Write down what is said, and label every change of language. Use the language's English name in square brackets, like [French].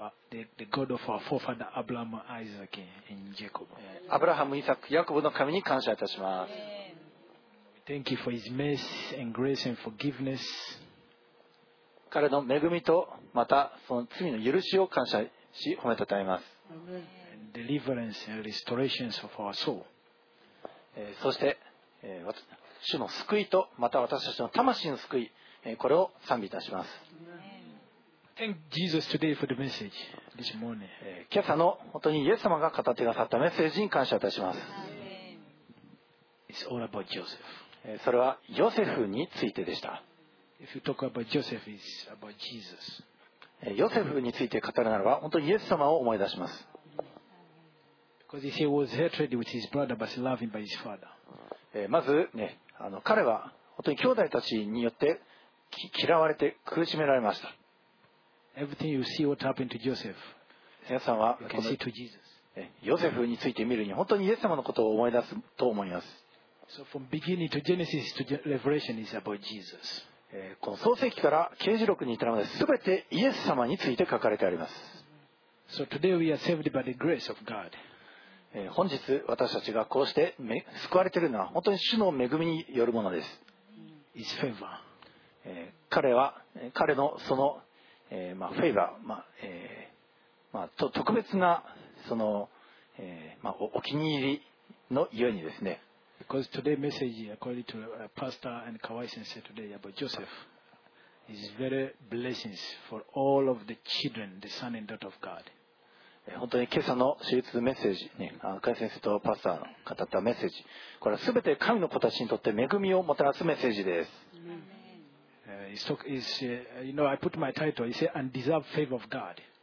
[English] The God of our forefather Abraham, Isaac, and Jacob. [Japanese] Abraham, Isaac, Jacob の神に感謝いたします。 [English] Thank you for His mercy and grace and forgiveness. [Japanese] 彼の恵みとまたその罪の許しを感謝し褒めたたえます。 [English] Deliverance and restoration of our soul. [Japanese] そして主の救いとまた私たちの魂の救い、これを賛美いたします。 [English] Thank Jesus today for the message this morning. [Japanese] 今朝の本当にイエス様が語ってくださったメッセージに感謝いたします。 [English] It's all about Joseph. [Japanese] それはヨセフについてでした。 [English] If you talk about Joseph, it's about Jesus. [Japanese] ヨセフについて語るならば本当にイエス様を思い出します。 [English] Because he was hatred with his brother, but loving by his father. [Japanese] まずね、あの彼は本当に兄弟たちによって嫌われて苦しめられました。 [English] Everything you see what happened to Joseph. [Japanese] 皆さんはこの、 [English] to Jesus. [Japanese] ヨセフについて見るに本当にイエス様のことを思い出すと思います。 [English] So from beginning to Genesis to Revelation is about Jesus. [Japanese] この創世記から啓示録に至るまで全てイエス様について書かれてあります。 [English] So today we are saved by the grace of God. [Japanese] 本日私たちがこうして救われているのは本当に主の恵みによるものです。 [English] His favor. [Japanese] 彼は彼のそのまあ、フェイバー、まあまあ、特別なその、まあ、お気に入りのゆえにですね。 [English] Because today's message, according to Pastor and Kawai Sensei today about Joseph, is very blessings for all of the children, the son and daughter of God. [Japanese] 本当に今朝の手術メッセージ、ね、カワイ先生とパスターの語ったメッセージ、これはすべて神の子たちにとって恵みをもたらすメッセージです。 [English] I put my title. He said, "Undeserved favor of God."